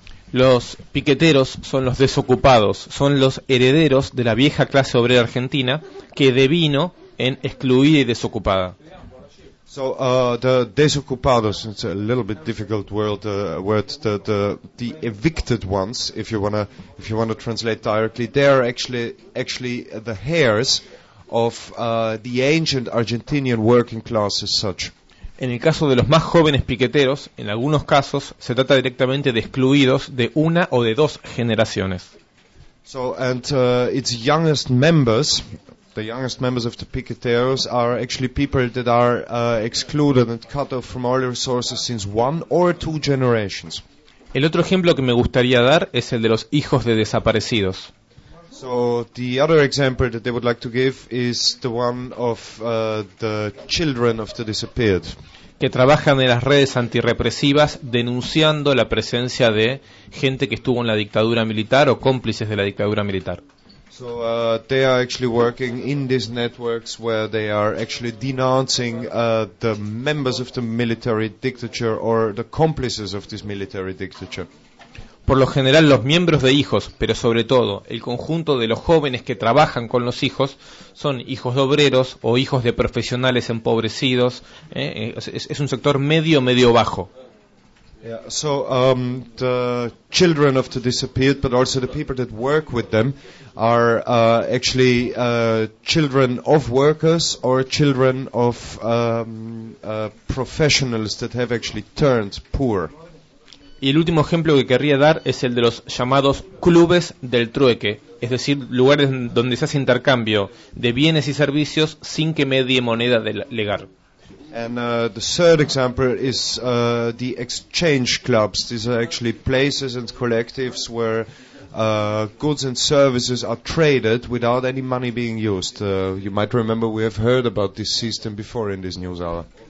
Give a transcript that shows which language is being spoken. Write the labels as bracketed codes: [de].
[es] Los piqueteros son los desocupados, son los herederos de la vieja clase obrera argentina que devino en excluida y desocupada. [en] So the desocupados, it's a little bit difficult word, the evicted ones, if you wanna translate directly, they are actually the heirs of the ancient Argentinian working class as such. [es] En el caso de los más jóvenes piqueteros, en algunos casos se trata directamente de excluidos de una o de dos generaciones. [en] So and its youngest members, the youngest members of the Piqueteros, are actually people that are excluded and cut off from all resources since one or two generations. [es] El otro ejemplo que me gustaría dar es el de los hijos de desaparecidos. [en] So the other example that they would like to give is the one of the children of the disappeared. [es] Que trabajan en las redes antirrepresivas denunciando la presencia de gente que estuvo en la dictadura militar o cómplices de la dictadura militar. [en] So they are actually working in these networks where they are actually denouncing the members of the military dictature or the complices of this military dictature. [es] Por lo general, los miembros de hijos, pero sobre todo el conjunto de los jóvenes que trabajan con los hijos, son hijos de obreros o hijos de profesionales empobrecidos. Es un sector medio bajo. [en] Yeah, so the children of the disappeared, but also the people that work with them, are actually children of workers or children of professionals that have actually turned poor. [es] Y el último ejemplo que querría dar es el de los llamados clubes del trueque, es decir, lugares donde se hace intercambio de bienes y servicios sin que medie moneda legal. [en] And the third example is the exchange clubs. These are actually places and collectives where goods and services are traded without any money being used. You might remember we have heard about this system before in this news hour.